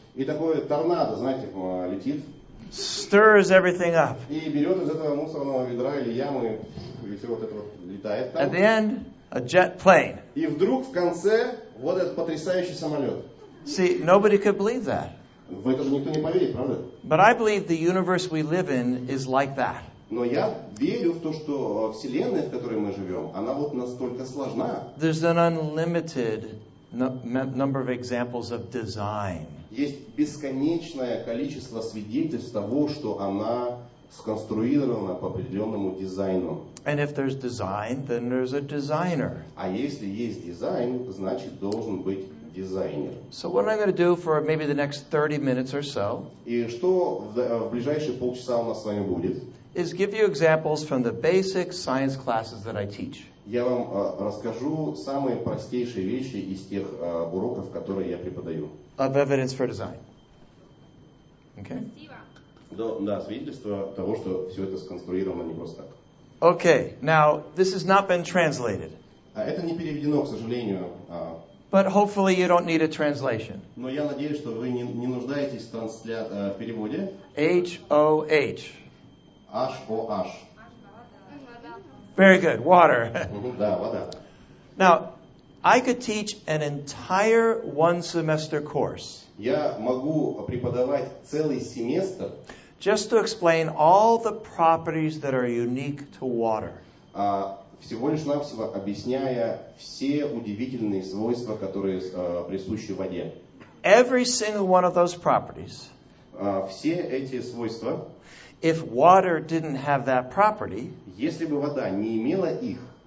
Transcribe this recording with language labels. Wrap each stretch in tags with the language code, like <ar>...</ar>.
<ru>И такое торнадо, знаете, летит.</ru> <en>Stirs everything up.</en> <ru>И берет из этого мусорного ведра или ямы, и все вот это вот летает там.</ru> <en>At the end, a jet plane.</en> <ru>И вдруг в конце вот этот потрясающий самолет.</ru> <en>See, nobody could believe that.</en> <ru>В это же никто не поверит, правда?</ru> <en>But I believe the universe we live in is like that.</en> <ru>Но я верю в то, что вселенная, в которой мы живем, она вот настолько сложна.</ru> <en>There's an unlimited number of examples of design.</en> <ru>Есть бесконечное количество свидетельств того, что она сконструирована по определенному дизайну.</ru> <en>And if there's design, then there's a designer.</en> <ru>А если есть дизайн, значит должен быть дизайнер.</ru> <en>So what I'm going to do for maybe the next 30 minutes or so?</en> <ru>И что в ближайшие полчаса у нас с вами будет?</ru> <en>Is give you examples from the basic science classes that I teach.</en> <ru>Я вам расскажу самые простейшие вещи из тех уроков, которые я преподаю.</ru> <en>Of evidence for design. Okay.</en> <ru>Да, свидетельство того, что все это сконструировано не просто так.</ru> <en>Okay. Now, this has not been translated.</en> <ru>Это не переведено, к сожалению.</ru> <en>But hopefully you don't need a translation.</en> <ru>Но я надеюсь, что вы не нуждаетесь в переводе. H-O-H. H-O-H.</ru> <en>Very good. Water.</en> <ru>Да, вода.</ru> <en>Now, I could teach an entire one semester course.</en> <ru>Я могу преподавать целый семестр.</ru> <en>Just to explain all the properties that are unique to water.</en> <ru>Всего лишь навсего объясняя все удивительные свойства, которые присущи воде.</ru> <en>Every single one of those properties.</en> <ru>Все эти свойства.</ru> <en>If water didn't have that property,</en> <ru>если бы вода не имела их,</ru>